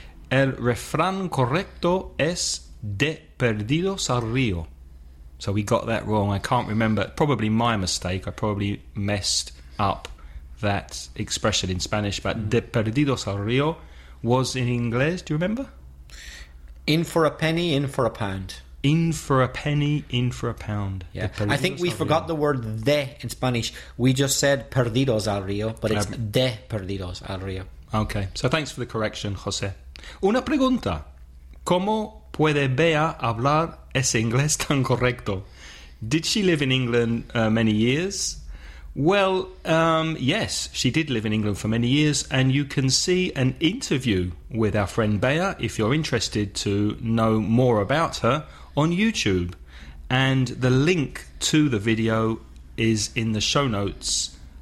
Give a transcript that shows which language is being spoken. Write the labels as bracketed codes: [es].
[es] El refrán correcto es de perdidos al río." [en] So we got that wrong. I can't remember. Probably my mistake. I probably messed up that expression in Spanish. But [es] de perdidos al río [en] was in inglés. Do you remember? In for a penny, in for a pound. In for a penny, in for a pound. Yeah. I think we forgot the word de in Spanish. We just said [es] perdidos al río, [en] but it's [es] de perdidos al río. [en] Okay. So thanks for the correction, José. [es] Una pregunta. ¿Cómo puede Bea hablar ese inglés tan correcto? [en] Did she live in England many years? Well, yes, she did live in England for many years, and you can see an interview with our friend Bea, if you're interested to know more about her, on YouTube. And the link to the video is in the show notes.